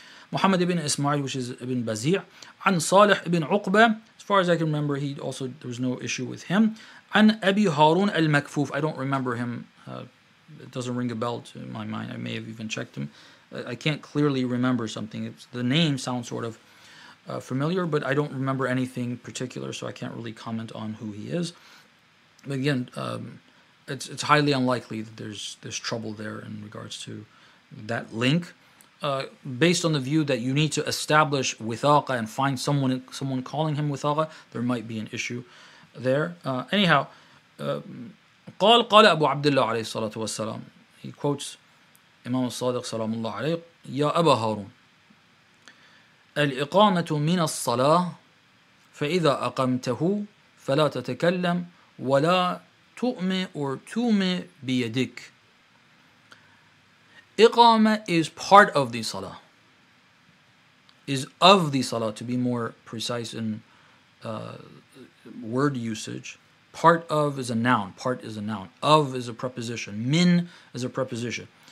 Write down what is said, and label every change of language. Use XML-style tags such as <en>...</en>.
<en>Muhammad ibn Ismail, which is ibn Bazi'a, an Salih ibn Uqba, as far as I can remember, he also, there was no issue with him, an Abi Harun al-Makfuf, I don't remember him, it doesn't ring a bell to my mind, I may have even checked him, I can't clearly remember something, the name sounds sort of familiar, but I don't remember anything particular, so I can't really comment on who he is, but again, it's highly unlikely that there's trouble there in regards to that link. Based on the view that you need to establish withaqa and find someone calling him withaqa, there might be an issue there. Anyhow, قال Abu Abdullah</en> <ar>عليه الصلاة والسلام.</ar> <en>He quotes Imam al-Sadiq</en> <ar>صلى الله عليه يا أبا هارون الإقامة من الصلاة فإذا أقمته فلا تتكلم ولا تؤمي</ar> <en>or</en> <ar>تؤمي بيدك.</ar> <en>Iqama is part of the salah, is of the salah, to be more precise in word usage. Part of is a noun, part is a noun. Of is a preposition, min is a preposition.</en>